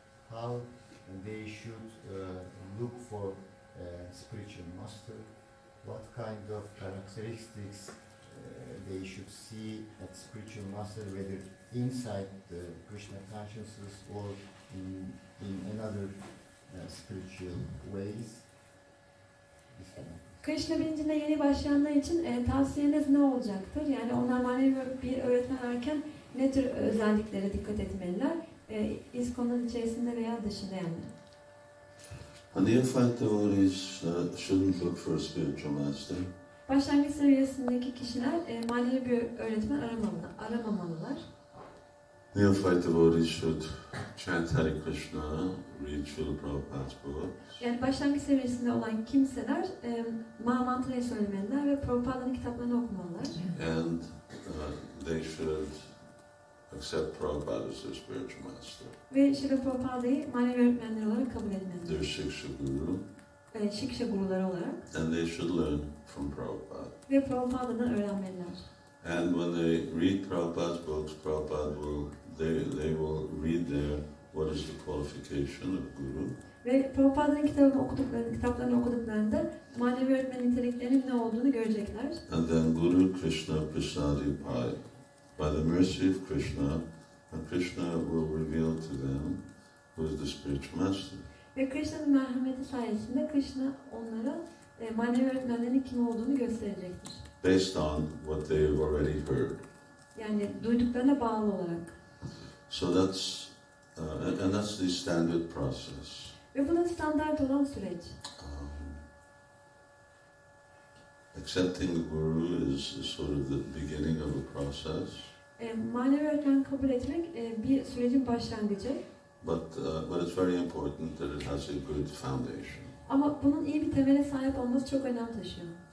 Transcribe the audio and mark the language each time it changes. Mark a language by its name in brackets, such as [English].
[English] How they should look for a spiritual master? What kind of characteristics they should see at spiritual master, whether inside the Krishna consciousness or in another spiritual ways? [Turkish] Krishna bilincinde yeni başlayanlar için tavsiyeniz ne olacaktır? Yani onlar manevi bir öğretmen erken ne tür özelliklere dikkat etmeliler? İskonun içerisinde veya dışında yani. [English] A neophyte devotee shouldn't look for a spiritual master. [Turkish] Başlangıç seviyesindeki kişiler manevi bir öğretmen aramamalılar. [English] A neophyte devotee should chant Hare Krishna, read Srila Prabhupada's books. [Turkish] Yani başlangıç seviyesinde olan kimseler mantra söylemeliler ve Prabhupada'nın kitaplarını okumalılar. [English] And they should accept Prabhupada as their spiritual master. [Turkish] Ve Srila Prabhupada'yı manevi öğretmenler olarak kabul etmeliler. [English] Their Shiksha Guru. [Turkish] Shiksha Guruları olarak. [English] And they should learn from Prabhupada. [Turkish] Ve Prabhupada'dan öğrenmeliler. [English] And when they read Prabhupada's books, Prabhupada will, they will read there what is the qualification of Guru. [Turkish] Ve Prabhupada'nın kitaplarını okuduklarında manevi öğretmenin niteliklerinin ne olduğunu görecekler. [English] And then [Sanskrit] Guru Krishna Prasadi Pai. [English] By the mercy of Krishna, and Krishna will reveal to them who is the spiritual master. [Turkish] Ve Krishna'nın merhameti sayesinde Krishna onlara manevi öğretmenlerin kim olduğunu gösterecektir. [English] Based on what they have already heard. [Turkish] Yani duyduklarına bağlı olarak. [English] So that's and that's the standard process. [Turkish] Ve bu da standart olan süreç. [English] Accepting the guru is sort of the beginning of a process. [Turkish] Manevi öğretmen kabul etmek bir sürecin başlangıcı. [English] But it's very important that it has a good foundation. [Turkish] Ama bunun iyi bir temele sahip olması çok önem taşıyor.